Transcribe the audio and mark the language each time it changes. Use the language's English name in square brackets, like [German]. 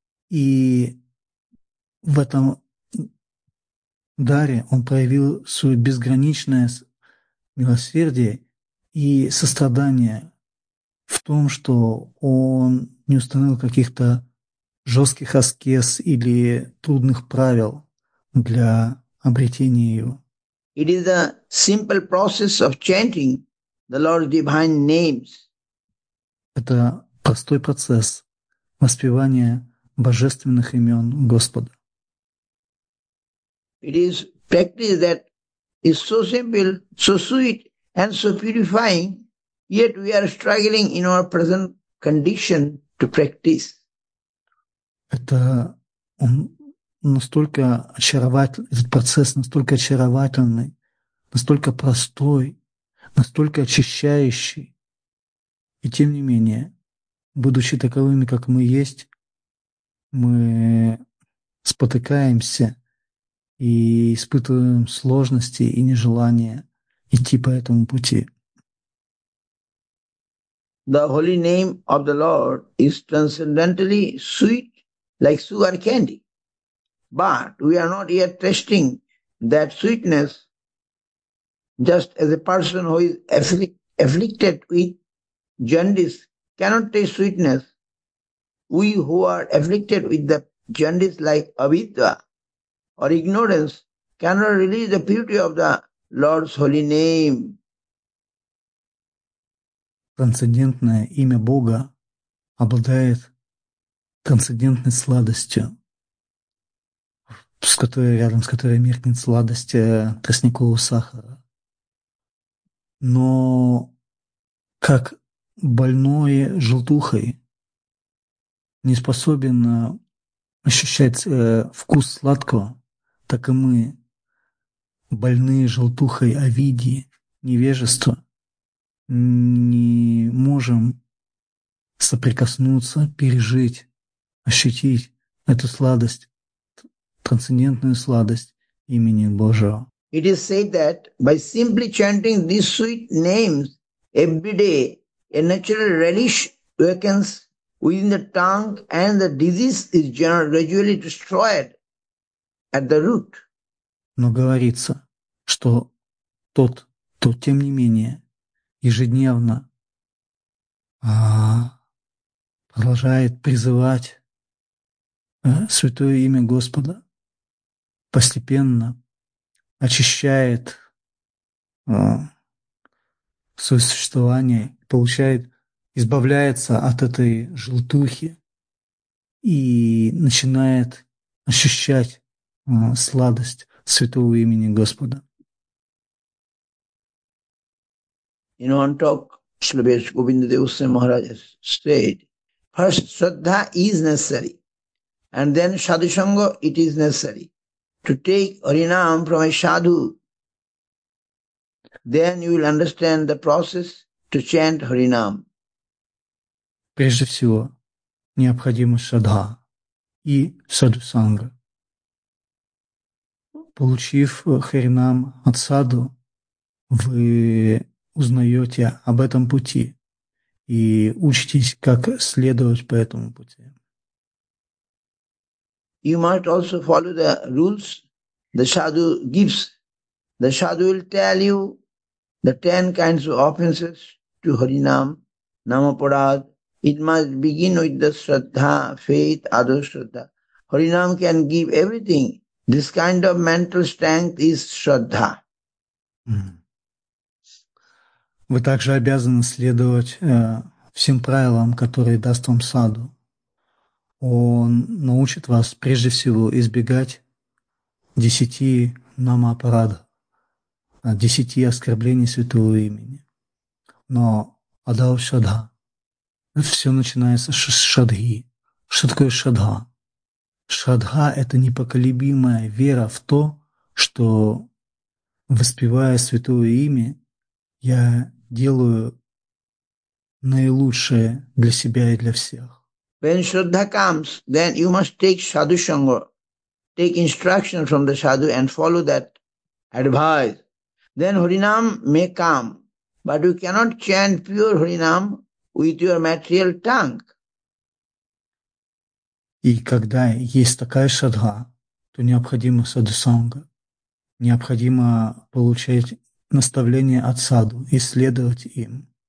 [Russian] И в этом даре он проявил свое безграничное милосердие и сострадание в том, что он не установил каких-то жестких аскез или трудных правил для обретения его. [English] It is a simple process of chanting the Lord's divine names. [Russian] Это простой процесс воспевания божественных имен Господа. [English] It is practice that is so simple, so sweet, and so purifying, yet we are struggling in our present condition to practice. [Russian] Это настолько очарователь, этот процесс настолько очаровательный, настолько простой, настолько очищающий. И тем не менее, будучи таковыми, как мы есть, мы спотыкаемся и испытываем сложности и нежелание идти по этому пути. [English] The holy name of the Lord is transcendentally sweet, like sugar candy. But we are not yet tasting that sweetness just as a person who is afflicted with jaundice cannot taste sweetness. We who are afflicted with the jaundice like avidya or ignorance cannot release the beauty of the Lord's holy name. [Russian] Трансцендентное имя Бога обладает трансцендентной сладостью, с которой рядом, с которой меркнет сладость тростникового сахара. Но как больной желтухой не способен ощущать вкус сладкого, так и мы, больные желтухой авидии, невежества, не можем соприкоснуться, пережить, ощутить эту сладость, трансцендентную сладость имени Божьего. [English] It is said that by simply chanting these sweet names every day, a natural relish awakens within the tongue and the disease is gradually destroyed at the root. [Russian] Но говорится, что тем не менее, ежедневно продолжает призывать святое имя Господа, постепенно очищает свое существование, получает, избавляется от этой желтухи и начинает ощущать сладость святого имени Господа. [English] In one talk, Śrīla Vyāsagovinda Deva Goswami Maharaj said, first Shraddha is necessary, and then Sadhu Sangha it is necessary. To take Harinam from a sadhu, then you will understand the process to chant Harinam. [Russian] Прежде всего, необходимо Шрадха и Садху Санга. Получив Харинам от саду, вы узнаете об этом пути и учитесь, как следовать по этому пути. [English] You must also follow the rules the sadhu gives. The sadhu will tell you the 10 kinds of offenses to Harinam, Namaparad. It must begin with the Shraddha, faith, Adho-Shraddha. Harinam can give everything. This kind of mental strength is Shraddha. [Russian] Вы также обязаны следовать всем правилам, которые даст вам саду. Он научит вас прежде всего избегать 10 намапарад, 10 оскорблений святого имени. Но Адхо-Шраддха, все начинается с Шрадхи. Что такое Шрадхи? Шрадхи – это непоколебимая вера в то, что, воспевая святое имя, я делаю наилучшее для себя и для всех. [English] When Shraddha comes, then you must take Sadhu Sangha, take instruction from the Sadhu and follow that advice. Then Harinam may come, but you cannot chant pure Harinam with your material tongue. [Russian] И когда есть такая Шрадха, то необходимо Sadhu Sangha, необходимо получать наставление от Sadhu и следовать им.